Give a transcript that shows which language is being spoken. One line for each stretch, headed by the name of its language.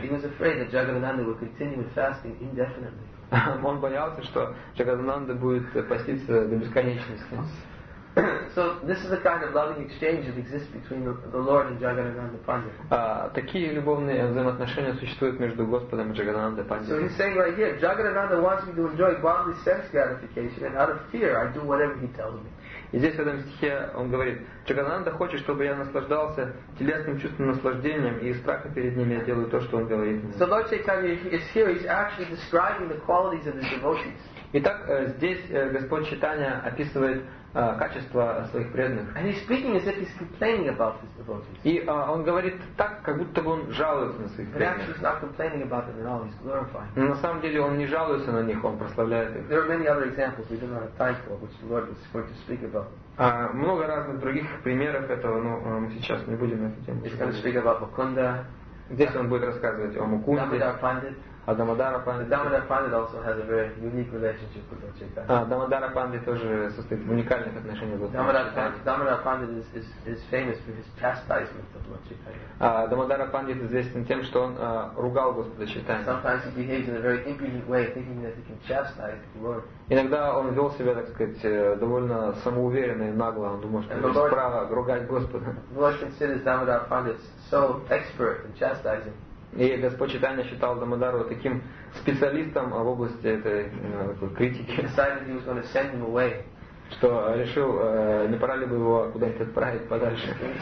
English: He was afraid that Jagannanda would continue fasting indefinitely.
Russian: Он боялся, что Джагананда будет поститься до бесконечности.
English: So this is a kind of loving exchange that exists between the Lord and Jagannanda Pandit.
Russian: Такие любовные взаимоотношения существуют между Господом и Джагананда Пандит.
English: So he's saying right here, Jagannanda wants me to enjoy bodily sense gratification, and out of fear, I do whatever he tells me.
Russian: И здесь в этом стихе он говорит, Джагананда хочет, чтобы я наслаждался телесным чувством наслаждением, и из страха перед ним я делаю то, что он говорит мне.
English: So Lord Chaitanya is here, he's actually describing the qualities of his devotees.
Russian: Итак, здесь Господь Чайтанья описывает качества своих преданных.
English: And he's speaking as if he's complaining about his devotees.
Russian: И он говорит так, как будто бы он жалуется на своих преданных.
English: But he's not complaining about them at all. He's glorifying them.
Russian: Но на самом деле он не жалуется на них, он прославляет их.
English: There are many other examples we don't have time for, which the Lord is going to speak about.
Russian: Много разных других примеров этого, но мы сейчас не будем на эту тему.
English: He's going to speak about Mukunda.
Russian: Здесь он будет рассказывать о Мукунде.
English: Дамодара Пандит also has a very unique relationship with Lord Chaitanya.
Russian: Дамодара Пандит тоже состоит в уникальных отношениях с Лорд
English: Чайтанья. Дамодара Пандит is famous for his chastisement of Lord Chaitanya.
Russian: Дамодара Пандит известен тем, что он ругал Господа Чайтанья.
English: Sometimes he behaves in a very impudent way, thinking that he can chastise the Lord.
Russian: Иногда он вел себя, так сказать, довольно самоуверенно и нагло. Он думал, что есть право ругать Господа.
English: The Lord considers Дамодара Пандит so expert in chastising.
Russian: И Господь Чайтанья считал Дамодару таким специалистом в области этой критики, что решил, не пора ли бы его куда-нибудь отправить подальше.